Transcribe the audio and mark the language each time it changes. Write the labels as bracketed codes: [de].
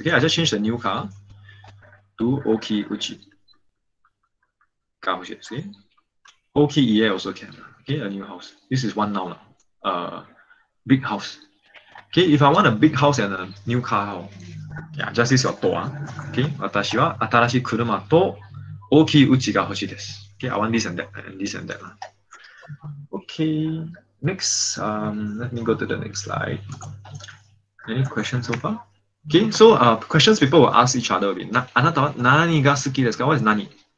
[en] Okay, I just changed the new car to oki uchi. Okay, oki ie also can. Okay, a new house. This is one noun. Big house. Okay, if I want a big house and a new car, how? Yeah, just use your to. [ja] Okay, 私は新しい車と大きい家が欲しいです。 [en] Okay, I want this and that, and this and that. Okay, next, let me go to the next slide. Any questions so far? Okay, so questions people will ask each other. [ja] あなたは何が好きですか? [en] What is [ja] 何?